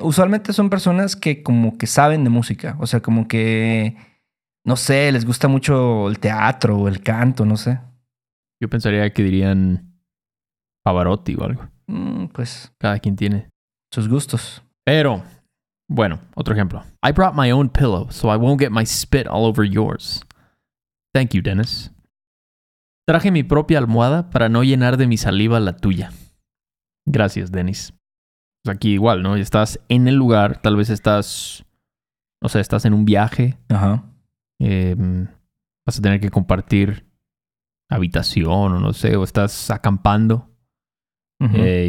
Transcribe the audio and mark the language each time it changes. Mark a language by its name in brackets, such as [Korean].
[Spanish] Usualmente son personas que como que saben de música. O sea, como que, no sé, les gusta mucho el teatro o el canto, no sé. Yo pensaría que dirían Pavarotti o algo. Pues. Cada quien tiene. Sus gustos. Pero, bueno, otro ejemplo. [English] I brought my own pillow, so I won't get my spit all over yours. Thank you, Dennis. [Spanish] Traje mi propia almohada para no llenar de mi saliva la tuya. Gracias, Dennis. Pues aquí igual, ¿no? Estás en el lugar, tal vez estás... O sea, estás en un viaje. Ajá. Vas a tener que compartir habitación o no sé, o estás acampando. Uh-huh.